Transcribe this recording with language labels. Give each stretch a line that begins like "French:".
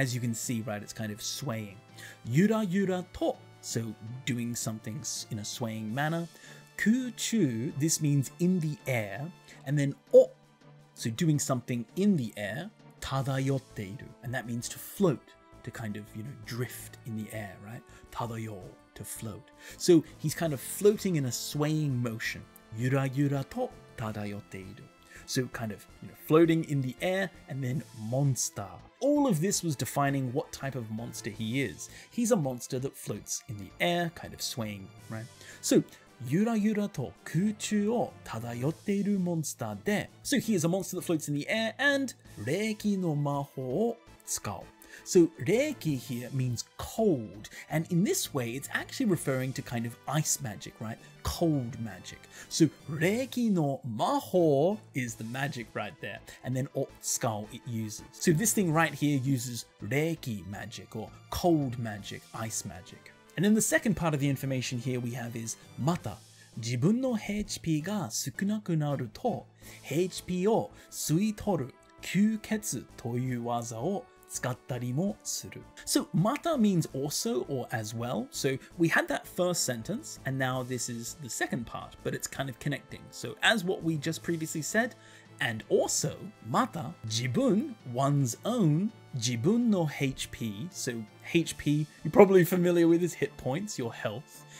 English: As you can see, right, it's kind of swaying.
Japanese: ゆらゆらと,
English: so doing something in a swaying manner. 空中, this means in the air. And then, お, so doing something in the air. 漂っている, and that means to float, to kind of, you know, drift in the air, right? 漂う.To float. So he's kind of floating in a swaying motion.
Japanese: ゆらゆらと漂っている.
English: So kind of, you know, floating in the air, and then monster. All of this was defining what type of monster he is. He's a monster that floats in the air, kind of swaying, right?
Japanese: So ゆらゆらと空中を漂っているモンスターで.
English: So he is a monster that floats in the air and
Japanese: 霊気の魔法を使う.
English: So, reiki here means cold, and in this way, it's actually referring to kind of ice magic, right? Cold magic. So,
Japanese: reiki no maho
English: is the magic right there, and then o skull it uses. So, this thing right here uses reiki magic, or cold magic, ice magic. And then the second part of the information here we have is mata.
Japanese: 自分の HP が少なくなると、HP を吸い取る吸血という技を使ったりもする。
English: So mata means also or as well. So we had that first sentence and now this is the second part, but it's kind of connecting. So as what we just previously said, and also mata, 自分, one's own, 自分の HP. So HP, you're probably familiar with, is hit points, your health.